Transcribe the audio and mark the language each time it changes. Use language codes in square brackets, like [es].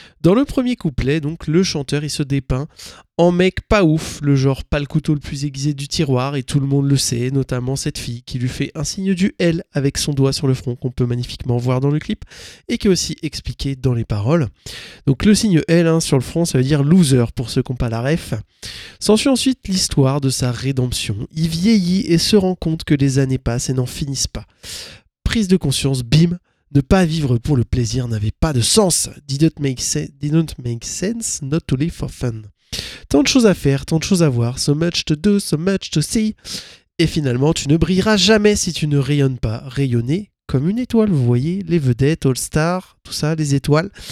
[fr] Dans le premier couplet, donc, le chanteur il se dépeint en mec pas ouf, le genre pas le couteau le plus aiguisé du tiroir, et tout le monde le sait, notamment cette fille qui lui fait un signe du L avec son doigt sur le front qu'on peut magnifiquement voir dans le clip et qui est aussi expliqué dans les paroles. Donc le signe L hein, sur le front, ça veut dire loser pour ceux qui n'ont pas la ref. S'ensuit ensuite l'histoire de sa rédemption. Il vieillit et se rend compte que les années passent et n'en finissent pas. Prise de conscience, bim! Ne pas vivre pour le plaisir n'avait pas de sens. [en] Did not make sense, not to live for fun. [fr] Tant de choses à faire, tant de choses à voir, [en] so much to do, so much to see. [fr] Et finalement, tu ne brilleras jamais si tu ne rayonnes pas. Rayonner comme une étoile, vous voyez, les vedettes, All Star, tout ça, les étoiles.